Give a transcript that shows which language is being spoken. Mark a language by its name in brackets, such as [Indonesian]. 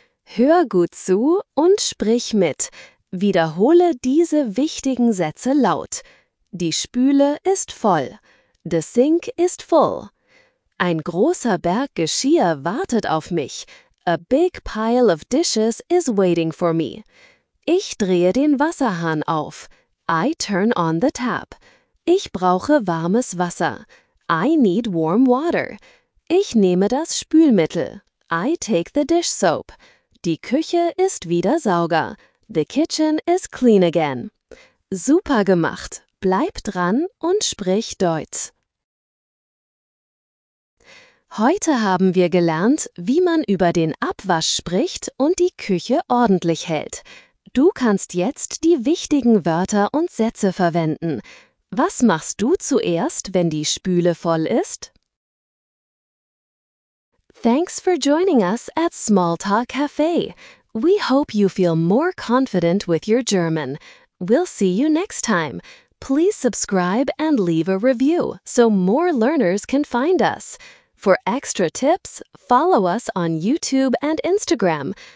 [German] Hör gut zu und sprich mit. Wiederhole diese wichtigen Sätze laut. Die Spüle ist voll. [English] The sink is full. [German] Ein großer Berg Geschirr wartet auf mich. [English] A big pile of dishes is waiting for me. [German] Ich drehe den Wasserhahn auf. [English] I turn on the tap. [German] Ich brauche warmes Wasser. [English] I need warm water. [German] Ich nehme das Spülmittel. [English] I take the dish soap. [German] Die Küche ist wieder sauber. [English] The kitchen is clean again. [German] Super gemacht. Bleib dran und sprich Deutsch. Heute haben wir gelernt, wie man über den Abwasch spricht und die Küche ordentlich hält. Du kannst jetzt die wichtigen Wörter und Sätze verwenden. Was machst du zuerst, wenn die Spüle voll ist? [English] Thanks for joining us at Small Talk Cafe. We hope you feel more confident with your German. We'll see you next time. Please subscribe and leave a review so more learners can find us. For extra tips, follow us on YouTube and Instagram.